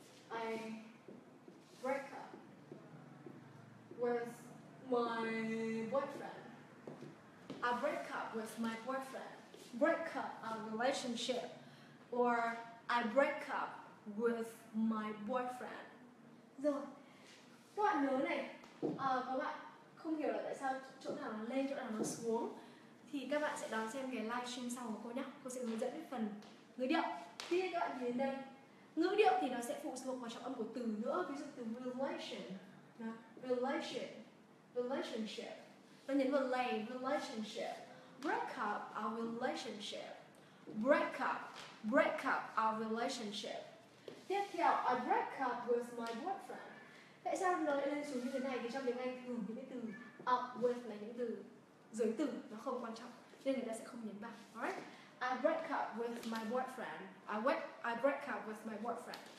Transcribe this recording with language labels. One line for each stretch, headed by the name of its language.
English: I break up with my boyfriend. I break up with my boyfriend. Break up a relationship. Or I break up with my boyfriend.
Vietnamese: Rồi, các bạn nhớ này, các bạn không hiểu là tại sao chỗ nào nó lên, chỗ nào nó xuống, thì các bạn sẽ đón xem cái live stream sau của cô nhé. Cô sẽ hướng dẫn cái phần ngữ điệu. Thì các bạn nhìn đây, ngữ điệu thì nó sẽ phụ thuộc vào trọng âm của từ nữa. Ví dụ từ relation, relation, relationship. Nó nhấn vào lay, relationship.
English: Break up our relationship. Break up, break up our relationship.
Vietnamese: Tiếp theo,
English: I break up with my boyfriend.
Vietnamese: Tại sao nó lại lên xuống như thế này? Thì trong tiếng Anh thường những cái từ up with là những từ giới từ, nó không quan trọng, nên người ta sẽ không nhấn vào.
English: Alright, I break up with my boyfriend. I break up with my boyfriend.